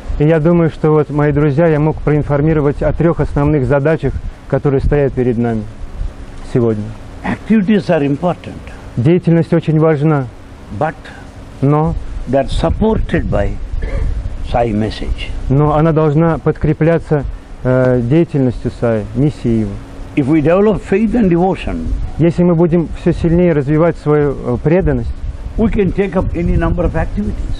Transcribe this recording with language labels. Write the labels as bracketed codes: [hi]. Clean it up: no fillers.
[ru] И я думаю, что вот, мои друзья, я мог проинформировать о трех основных задачах, которые стоят перед нами сегодня. [en] Activities are important. [ru] Деятельность очень важна. [en] But [ru] но [en] they are supported by Sai message. [ru] Но она должна подкрепляться деятельностью Sai, миссией его. [en] If we develop faith and devotion, [ru] если мы будем все сильнее развивать свою преданность, [en] we can take up any number of activities.